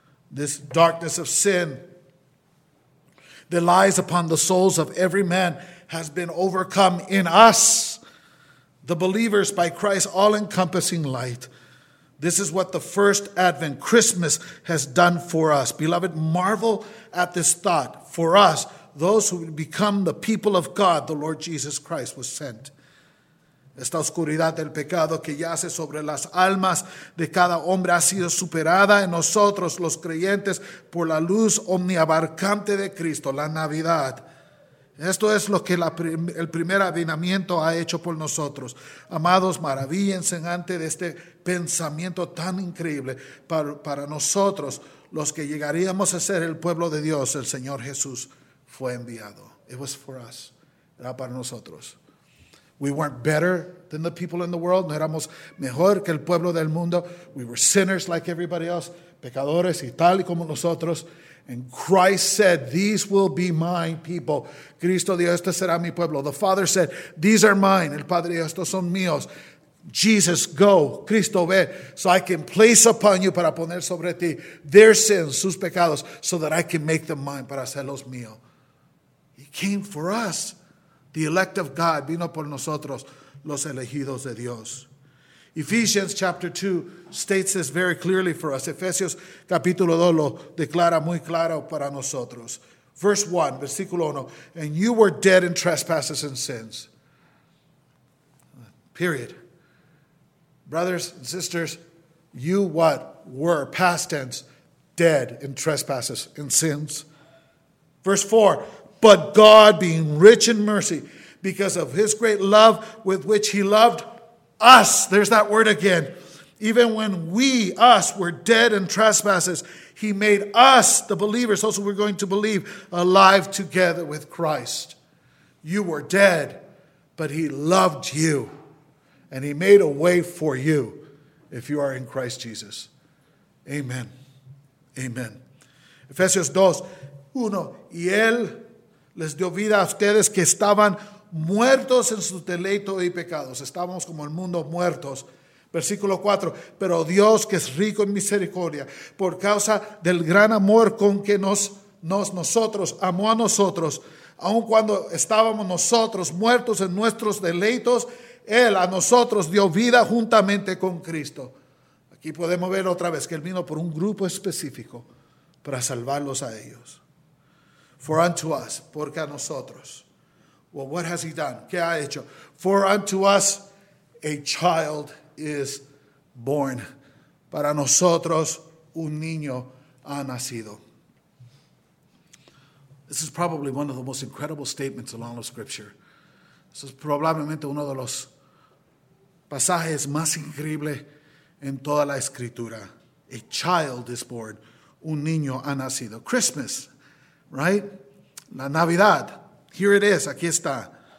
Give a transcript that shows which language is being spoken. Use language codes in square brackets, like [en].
[en] This darkness of sin that lies upon the souls of every man has been overcome in us, the believers, by Christ's all-encompassing light. This is what the first Advent, Christmas, has done for us. Beloved, marvel at this thought. For us, those who become the people of God, the Lord Jesus Christ was sent. [es] Esta oscuridad del pecado que yace sobre las almas de cada hombre ha sido superada en nosotros, los creyentes, por la luz omniabarcante de Cristo, la Navidad. Esto es lo que el primer avivamiento ha hecho por nosotros. Amados, maravíllense ante este pensamiento tan increíble para nosotros, los que llegaríamos a ser el pueblo de Dios. El Señor Jesús fue enviado. [en] It was for us. [es] Era para nosotros. [en] We weren't better than the people in the world. [es] No éramos mejor que el pueblo del mundo. [en] We were sinners like everybody else. [es] Pecadores y tal y como nosotros. [en] And Christ said, these will be my people. [es] Cristo dijo, este será mi pueblo. [en] The Father said, these are mine. [es] El Padre dijo, estos son míos. [en] Jesus, go. [es] Cristo, ve. [en] So I can place upon you, [es] para poner sobre ti, [en] their sins, [es] sus pecados, [en] so that I can make them mine, [es] para hacerlos míos. [en] He came for us. The elect of God, [es] vino por nosotros, los elegidos de Dios. [en] Ephesians chapter 2 states this very clearly for us. [es] Efesios capítulo 2 lo declara muy claro para nosotros. [en] Verse 1, [es] versículo 1. [en] And you were dead in trespasses and sins. Period. Brothers and sisters, you what? Were, past tense, dead in trespasses and sins. Verse 4. But God, being rich in mercy, because of his great love with which he loved us. There's that word again. Even when us were dead in trespasses, he made us, the believers, those who were going to believe, alive together with Christ. You were dead, but he loved you. And he made a way for you if you are in Christ Jesus. Amen. Amen. Ephesians 2, 1. [es] Y él les dio vida a ustedes que estaban muertos en su deleito y pecados. Estábamos como el mundo muertos. Versículo 4. Pero Dios, que es rico en misericordia, por causa del gran amor con que nosotros amó a nosotros, aun cuando estábamos nosotros muertos en nuestros deleitos, Él a nosotros dio vida juntamente con Cristo. Aquí podemos ver otra vez que Él vino por un grupo específico para salvarlos a ellos. [en] For unto us, [es] porque a nosotros. [en] Well, what has he done? [es] ¿Qué ha hecho? [en] For unto us, a child is born. [es] Para nosotros, un niño ha nacido. [en] This is probably one of the most incredible statements along the scripture. This is [es] probablemente uno de los pasajes más increíbles en toda la escritura. [en] A child is born. [es] Un niño ha nacido. [en] Christmas, right? [es] La Navidad, [en] here it is, [es] aquí está.